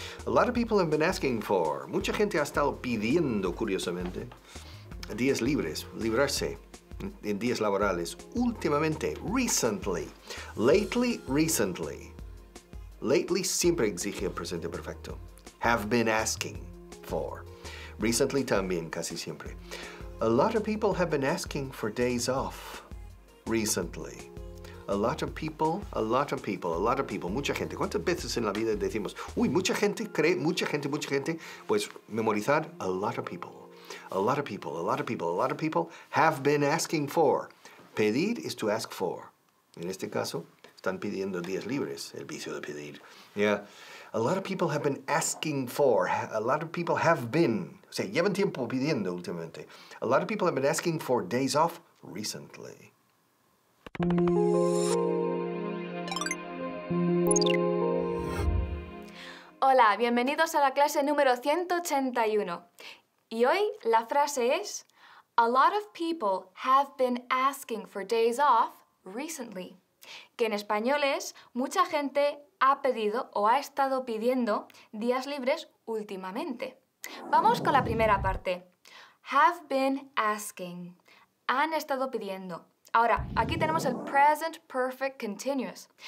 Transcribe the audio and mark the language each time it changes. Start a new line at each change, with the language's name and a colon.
English: A lot of people have been asking for,
Spanish: mucha gente ha estado pidiendo, curiosamente, días libres, librarse, en días laborales, últimamente,
English: recently, lately, recently.
Spanish: Lately siempre exige el presente perfecto.
English: Have been asking for.
Spanish: Recently también, casi siempre.
English: A lot of people have been asking for days off recently. A lot of people,
Spanish: mucha gente. ¿Cuántas veces en la vida decimos, uy, mucha gente, cree, mucha gente? Pues memorizar,
English: a lot of people. A lot of people, a lot of people, a lot of people have been asking for. Pedir is to ask for.
Spanish: En este caso, están pidiendo días libres, el vicio de pedir.
English: Yeah. A lot of people have been asking for, a lot of people have been,
Spanish: o sea, llevan tiempo pidiendo últimamente.
English: A lot of people have been asking for days off recently.
Spanish: Hola, bienvenidos a la clase número 181. Y hoy la frase es,
English: a lot of people have been asking for days off recently.
Spanish: Que en español es, mucha gente ha pedido o ha estado pidiendo días libres últimamente. Vamos con la primera parte.
English: Have been asking.
Spanish: Han estado pidiendo. Ahora, aquí tenemos el present perfect continuous.